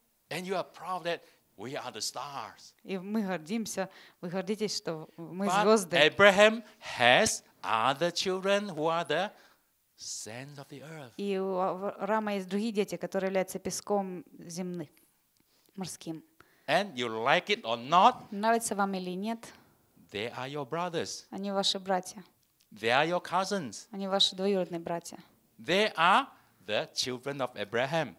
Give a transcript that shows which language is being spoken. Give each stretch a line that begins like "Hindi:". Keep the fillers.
English: And you are proud that we are the stars.
Russian: И мы гордимся, вы гордитесь, что мы
English: But Abraham has other children who are the sand of the earth.
Russian: И у Рама есть другие дети, которые являются песком земных, морским.
English: And you like it or not? They are your brothers.
Russian: Они ваши братья.
English: They are your cousins.
Russian: Они ваши двоюродные братья.
English: They are the children of Abraham.